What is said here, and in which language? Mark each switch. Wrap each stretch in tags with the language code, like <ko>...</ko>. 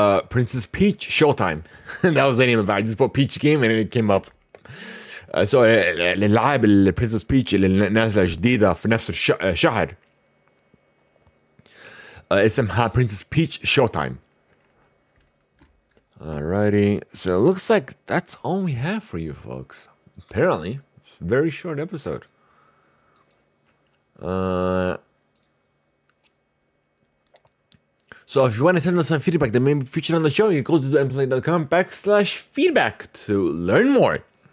<en>Princess Peach Showtime. That was the name of it. I just put Peach game and it came up.</en> <ar>So, للعاب البرنسس بيتش اللي نازلة جديدة في نفس الشهر اسمها برنسس بيتش شو تايم.</ar> <en>Alrighty, so it looks like that's all we have for you folks. Apparently, it's a very short episode. So if you want to send us some feedback that may be featured on the show, you can go to theemplay.com/feedback to learn more.</en>